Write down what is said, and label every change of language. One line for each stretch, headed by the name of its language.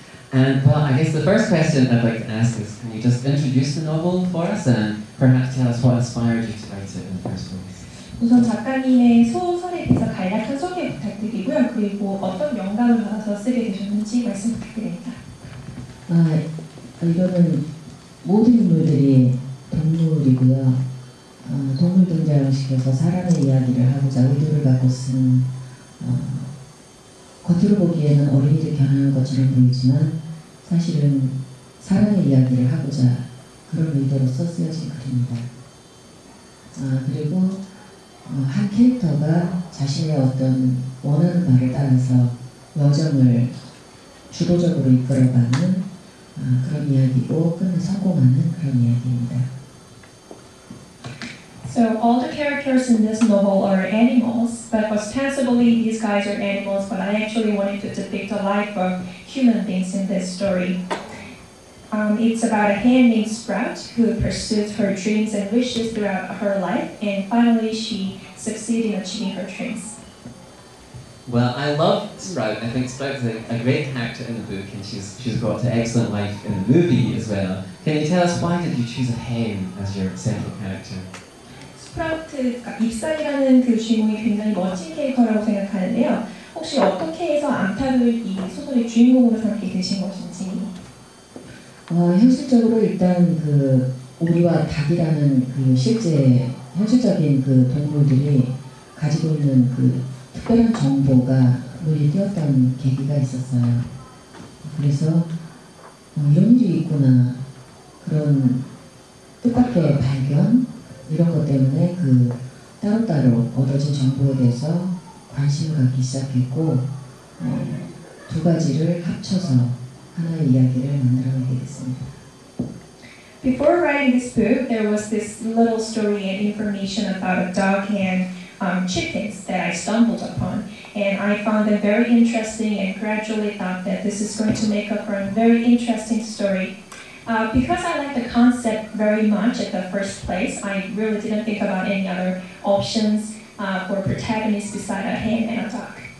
English: And well, I guess the first question I'd like to ask is, can you just introduce the novel for us and perhaps tell us what inspired you to write it in the first place?
Korean: 우선 작가님의 소설에 대해서 간략한 소개 부탁드리고요. 그리고 어떤 영감을 받아서 쓰게 되셨는지 말씀 부탁드립니다. 이거는 모든 인물들이 동물이고요. 동물 등장을 시켜서 사람의 이야기를 하고자 의도를 갖고 쓴 겉으로 보기에는 어린이를 겨냥한 것처럼 보이지만 사실은 사람의 이야기를 하고자 그런 의도로서 쓰여진 글입니다. 그리고 한 캐릭터가 자신의 어떤 원하는 바를 따라서 여정을 주도적으로 이끌어가는 그런 이야기고 끝내 성공하는 그런 이야기입니다.
English: So all the characters in this novel are animals, but ostensibly these guys are animals, but I actually wanted to depict a life of human beings in this story. It's about a hen named Sprout who pursues her dreams and wishes throughout her life, and finally she succeeded in achieving her dreams. Well, I love Sprout. I think Sprout's a great character in the book, and she's got an excellent life in the movie as well. Can you tell us why did you choose a hen as your central character?
Korean: 스프라우트가 입살이라는 그 주인공이 굉장히 멋진 캐릭터라고 생각하는데요. 혹시 어떻게 해서 암탉을 이 소설의 주인공으로 삼게 되신 것인지? 현실적으로 일단 그 오리와 닭이라는 그 실제 현실적인 그 동물들이 가지고 있는 그 특별한 정보가 눈에 띄었던 계기가 있었어요. 그래서 이런 일이 있구나 그런 뜻밖의 발견 이런 것 때문에 그 따로따로 얻어진 정보에 대해서 관심을 갖기 시작했고 두 가지를 합쳐서 하나의 이야기를 만들어내게 됐습니다.
English: Before writing this book, there was this little story and information about a dog and chickens that I stumbled upon. And I found them very interesting and gradually thought that this is going to make up for a very interesting story. Because I liked the concept very much at the first place, I really didn't think about any other options for protagonists beside a hen and a dog.